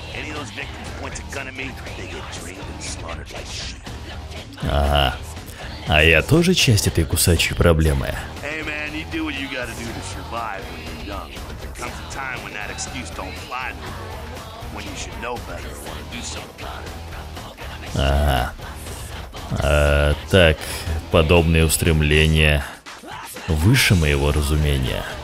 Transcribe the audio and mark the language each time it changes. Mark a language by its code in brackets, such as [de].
[en] Any of those victims point a gun at me, they get drained and slaughtered like sheep. [ru] Ага. А я тоже часть этой кусачей проблемы. [en] Hey man, you do what you gotta do to survive when you're young. There comes a time when that excuse don't fly no more. When you should know better or want to do something about it. [ru] Ага. Так, подобные устремления выше моего разумения.